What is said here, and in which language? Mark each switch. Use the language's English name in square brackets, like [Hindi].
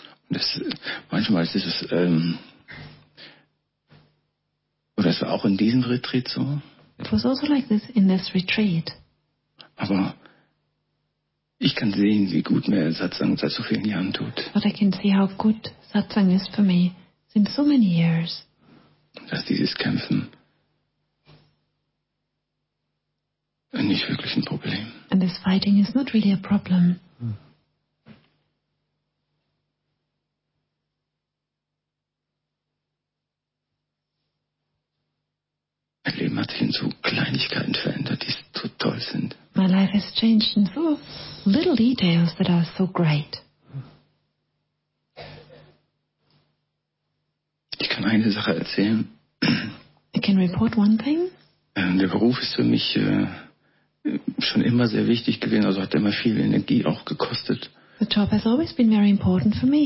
[German] Und manchmal ist es oder ist es auch in diesem Retreat so? [English] It was also like this in this retreat. [German] Aber ich kann sehen, wie gut mir Satsang seit so vielen Jahren tut. [English] But I can see how good Satsang is for me since so many years. [German] Dass dieses Kämpfen nicht wirklich ein Problem. [English] And this fighting is not really a problem. [German] Mein Leben hat sich in so Kleinigkeiten verändert, die so toll sind. [English] My life has changed in so little details that are so great. [German] Ich kann eine Sache erzählen. [English] I can report one thing. [German] Der Beruf ist für mich schon immer sehr wichtig gewesen, also hat immer viel Energie auch gekostet. [English] The job has always been very important for me.